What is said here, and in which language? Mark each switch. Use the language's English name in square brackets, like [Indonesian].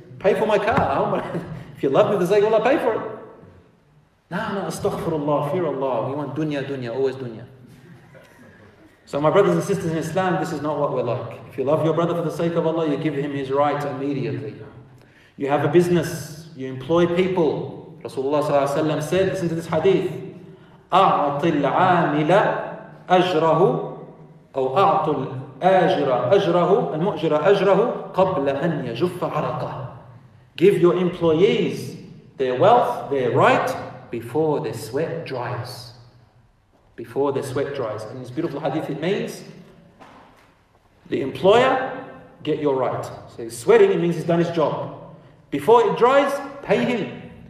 [English] Pay for my car. If you love me, the zaykullah, pay for it. No, astaghfirullah, fear Allah. We want dunya, always dunya. So my brothers and sisters in Islam, this is not what we're like. If you love your brother for the sake of Allah, you give him his right immediately. You have a business, you employ people. Rasulullah sallallahu alayhi wa sallam said, listen to this hadith, [Arabic] أَعْطِ الْعَامِلَ أَجْرَهُ أَوْ أَعْطُ الْآجِرَ أَجْرَهُ الْمُؤْجِرَ أَجْرَهُ قَبْلَ أَنْ يَجُفَّ عَرَقَهُ. [English] Give your employees their wealth, their right, before their sweat dries. Before their sweat dries. In this beautiful hadith, it means the employer, get your right. So he's sweating, it means he's done his job. Before it dries, pay him.